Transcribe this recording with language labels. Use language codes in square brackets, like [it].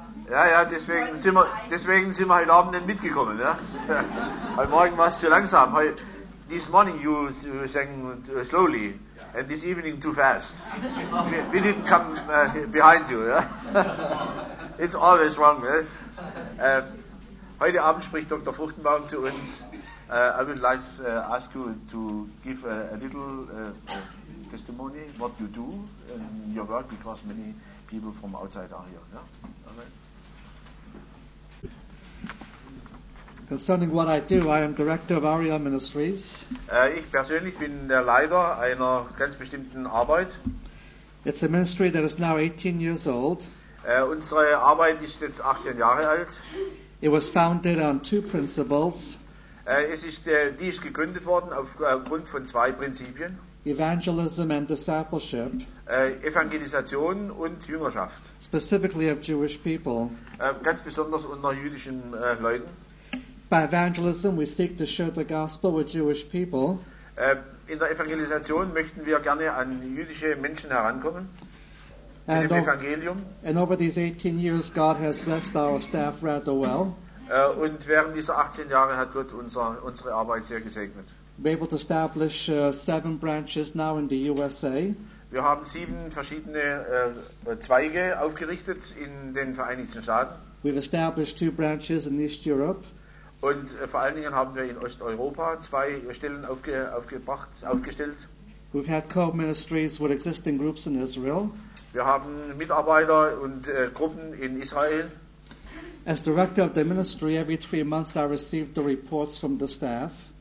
[de] Ja, ja, deswegen sind wir heute Abend nicht mitgekommen. Ja? Heute Morgen war es zu langsam. [en] This morning you sang slowly, and this evening too fast. We didn't come behind you. Ja? It's always wrong, yes? [de] Heute Abend spricht Dr. Fruchtenbaum zu uns. [en] I would like to ask you to give a little testimony, what you do in your work, because many people from outside are here. Yeah? Concerning what I do, I am director of Aria Ministries. [de] Ich persönlich bin der Leiter einer ganz bestimmten Arbeit. [en] It's a ministry that is now 18 years old. [de] Unsere Arbeit ist jetzt 18 Jahre alt. [en] It was founded on two principles. [de] Die ist gegründet worden aufgrund von zwei Prinzipien. [en] Evangelism and discipleship. [de] Evangelisation und Jüngerschaft. [en] Specifically of Jewish people. [de] Ganz besonders unter jüdischen Leuten. [en] By evangelism we seek to share the gospel with Jewish people. [de] In der Evangelisation möchten wir gerne an jüdische Menschen herankommen. [en] And [de] mit dem Evangelium. [en] And over these 18 years God has blessed our staff rather well. [de] Und während dieser 18 Jahre hat Gott unsere Arbeit sehr gesegnet. [en] We're able to establish 7 branches now in the USA. [de] Wir haben 7 verschiedene Zweige aufgerichtet in den Vereinigten Staaten. [en] We've established 2 branches in East Europe. [de] Und vor allen Dingen haben wir in Osteuropa 2 Stellen aufgestellt. [en] We've had co-ministries with existing groups in Israel. [de] Wir haben Mitarbeiter und Gruppen in Israel. [en] As director of the ministry, every 3 months I received the reports from the staff.